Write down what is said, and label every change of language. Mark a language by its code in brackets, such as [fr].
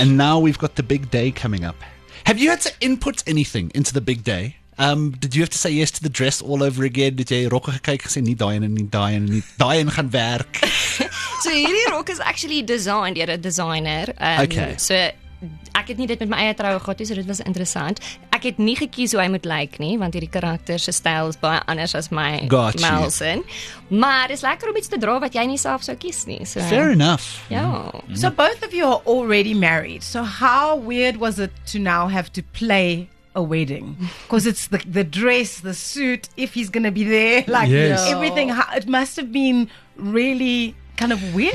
[en] And now we've got the big day coming up. Have you had to input anything into the big day? Did you have to say yes to the dress all over again? [af] Did jy rokke gekyk gesê nie daai en nie daai en nie daai en gaan werk? So hierdie rok is actually designed deur 'n designer. [en] Okay. [af] So ek het nie dit met my eie troue gehad nie, so dit was interessant. Ek het nie gekies hoe hy moet lyk nie, want hierdie karakter se styl is baie anders as my Melson. Maar dis lekker om iets te dra wat jy nie self sou kies nie. So, [en] fair enough. [af] Ja. [en] So both of you are already married. So how weird was it to now have to play a wedding, because it's the dress, the suit, if he's gonna be there, like yes. Everything, it must have been really kind of weird.